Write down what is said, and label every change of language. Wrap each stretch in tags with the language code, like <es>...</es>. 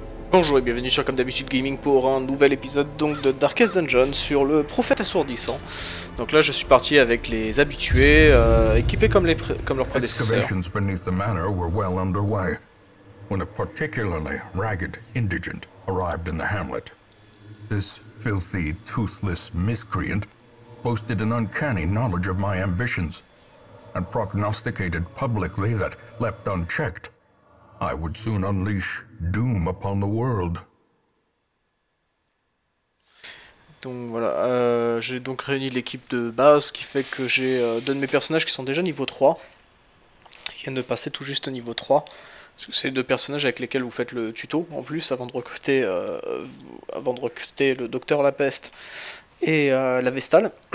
<fr>Bonjour et bienvenue sur Comme d'habitude Gaming pour un nouvel épisode donc de Darkest Dungeon sur le prophète assourdissant. Donc là je suis parti avec les habitués, équipés comme, comme leurs prédécesseurs.</fr> <en>Excavations beneath the manor were well underway when a particularly ragged indigent arrived in the hamlet. This filthy, toothless miscreant boasted an uncanny knowledge of my ambitions and prognosticated publicly that left unchecked, I would soon unleash doom upon the world.</en> <fr>Donc voilà, j'ai donc réuni l'équipe de base, ce qui fait que j'ai deux de mes personnages qui sont déjà niveau 3. Ils viennent de passer tout juste au niveau 3. Parce que c'est les deux personnages avec lesquels vous faites le tuto, en plus, avant de recruter le docteur La Peste et la Vestale.</fr>